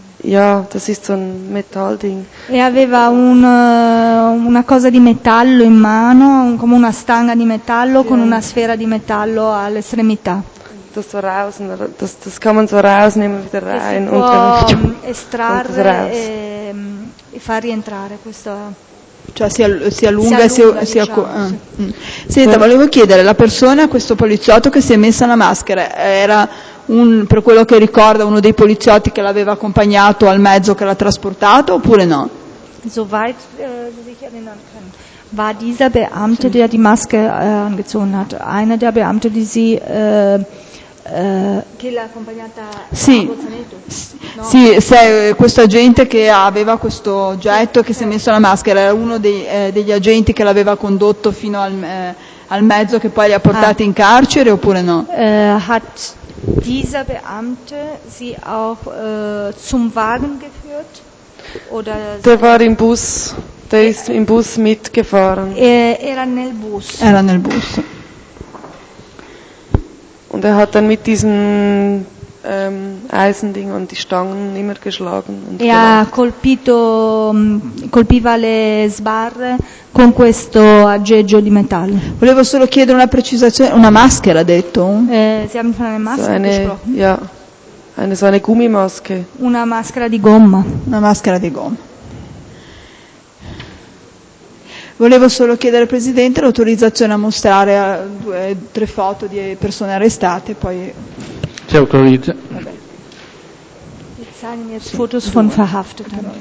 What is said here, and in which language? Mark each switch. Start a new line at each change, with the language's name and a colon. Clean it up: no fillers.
German: Ja, das ist so ein Metallding.
Italian: E aveva una cosa di metallo in mano, come una stanga di metallo, yeah, con una sfera di metallo all'estremità.
German: Das so raus, das kann man so rausnehmen, wieder rein und dann estrarre so raus.
Italian: E far rientrare questa. Cioè si allunga, diciamo. Sì. Senta, volevo chiedere, la persona, questo poliziotto che si è messa la maschera, era un, per quello che ricorda, uno dei poliziotti che l'aveva accompagnato al mezzo che l'ha trasportato oppure no?
German: Soweit sich erinnern kann, war dieser Beamte, der die Maske angezogen hat, einer der Beamte, die sie
Italian: che l'ha accompagnata, sì, a Bozzanetto. Sì, questo agente che aveva questo oggetto, che si è messo la maschera, era uno degli agenti che l'aveva condotto fino al mezzo che poi li ha portati in carcere oppure no?
German: Hat dieser Beamte sie auch zum Wagen geführt? Oder der war im Bus, der ist im Bus mitgefahren.
Italian: Era nel bus. Era nel bus.
German: Und er hat dann mit diesem Eisending und die Stangen immer geschlagen. Und
Italian: ha colpito, colpiva le sbarre con questo aggeggio di metallo. Volevo solo chiedere una precisazione, una maschera, ha detto?
German: Si haben von einer Maske gesprochen. Ja, eine, so eine Gummimaske.
Italian: Una maschera di gomma. Una maschera di gomma. Volevo solo chiedere al Presidente l'autorizzazione a mostrare tre foto di persone arrestate, poi. Si autorizza. Vabbè.
German: Wir zeigen jetzt Fotos von Verhafteten.